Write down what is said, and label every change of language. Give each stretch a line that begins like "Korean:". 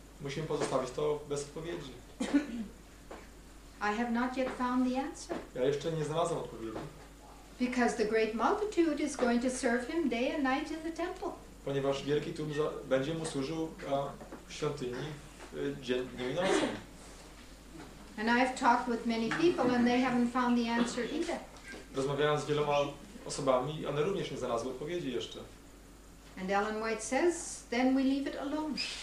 Polish: Musimy pozostawić to bez odpowiedzi.
English: I have not yet found the answer.
Polish: Ja jeszcze nie znalazłem odpowiedzi.
English: Because the great multitude is going to serve him day and night in the temple.
Polish: Ponieważ wielki tłum będzie mu służył w świątyni dzień i noc.
English: And I've talked with many people and they haven't found the answer either.
Polish: Rozmawiałem z wieloma osobami, one również nie znalazły odpowiedzi jeszcze.
English: And Ellen White says, then we leave it alone.